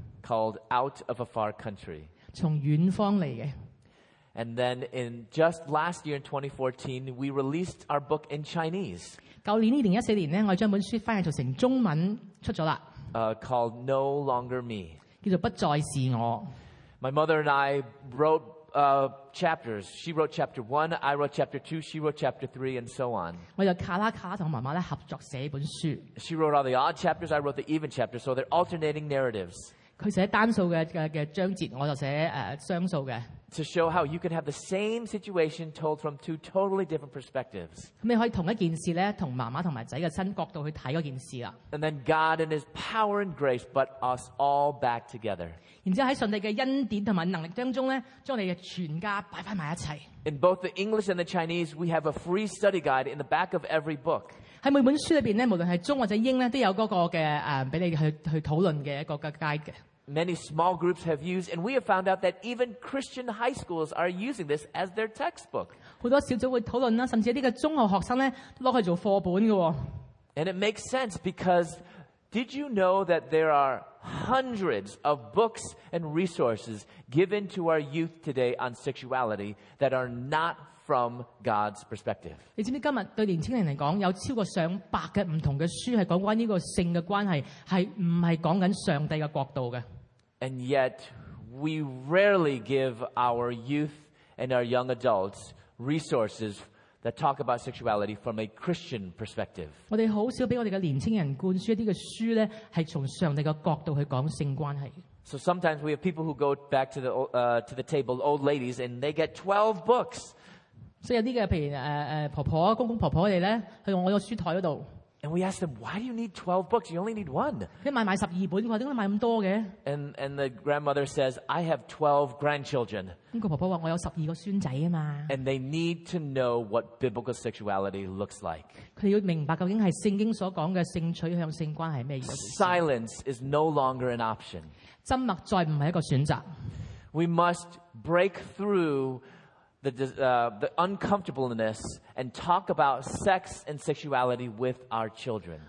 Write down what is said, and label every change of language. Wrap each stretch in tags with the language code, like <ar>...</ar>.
<en>，called Out of a Far Country，</en> <yue>从远方嚟嘅。</yue> <en>And then in just last year in 2014, we released our book in Chinese.</en> <yue>去年2014年咧，我将本书翻译做成中文出咗啦。</yue> <en>Called No Longer Me，</en> <yue>叫做不再是我。</yue> <en>My mother and I wrote chapters. She wrote chapter one. I wrote chapter two. She wrote chapter three, and so on.</en> <yue>我就卡拉卡同妈妈咧合作写本书。</yue> <en>She wrote all the odd chapters. I wrote the even chapters. So they're alternating narratives.</en> <yue>佢写单数嘅章节，我就写双数嘅。</yue> <en>To show how you can have the same situation told from two totally different perspectives.</en> <yue>你可以同一件事咧，同妈妈同埋仔嘅新角度去睇嗰件事啦。</yue> <en>And then God in His power and grace put us all back together.</en> <yue>然之后喺上帝嘅恩典同埋能力当中咧，将你嘅全家摆翻埋一齐。</yue> <en>In both the English and the Chinese, we have a free study guide in the back of every book.</en> <yue>喺每本书里边咧，无论系中或者英咧，都有嗰个嘅俾你去讨论嘅一个嘅 guide 嘅。</yue> <en>Many small groups have used, and we have found out that even Christian high schools are using this as their textbook.</en> <yue>很多小组会讨论啦，甚至一啲嘅中学学生咧都攞去做课本嘅。</yue> <en>And it makes sense because did you know that there are hundreds of books and resources given to our youth today on sexuality that are not from God's perspective?</en> <yue>你知唔知今日对年轻人嚟讲，有超过上百嘅唔同嘅书系讲关呢个性嘅关系，系唔系讲紧上帝嘅国度嘅？</yue> <en>And yet, we rarely give our youth and our young adults resources that talk about sexuality from a Christian perspective.</en> <yue>我哋好少俾我哋嘅年轻人灌输一啲嘅书咧，系从上帝嘅角度去讲性关系。</yue> <en>So sometimes we have people who go back to the table, old ladies, and they get 12 books.</en> <yue>所以有啲嘅，譬如婆婆、公公婆婆佢哋咧，去我个书台嗰度。</yue> <en>And we asked them, why do you need 12 books? You only need one.</en> <yue>佢买十二本，佢话点解买咁多嘅</yue> <en>？And the grandmother says, I have 12 grandchildren.</en> <yue>咁个婆婆话我有十二个孙仔啊嘛。</yue> <en>And they need to know what biblical sexuality looks like.</en> <yue>佢要明白究竟系圣经所讲嘅性取向、性关系系咩意思</yue> <en>？Silence is no longer an option.</en> <yue>沉默再唔系一个选择。</yue> <en>We must break through. The uncomfortableness and talk about sex and sexuality with our children.</en>